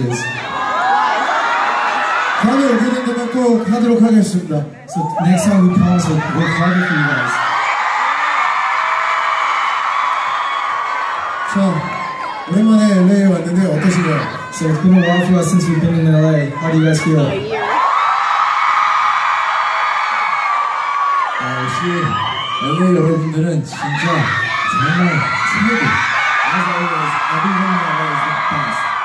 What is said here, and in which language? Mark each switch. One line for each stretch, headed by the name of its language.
English: So next time we promise we'll work harder for you guys.
Korean: So, 오랜만에 LA 왔는데 어떠신가요?
English: So it's been a while for us since we've been in LA. How do you guys feel?
Korean: LA 여러분들은 진짜 정말 최고.
English: As always, everyone in LA is the best.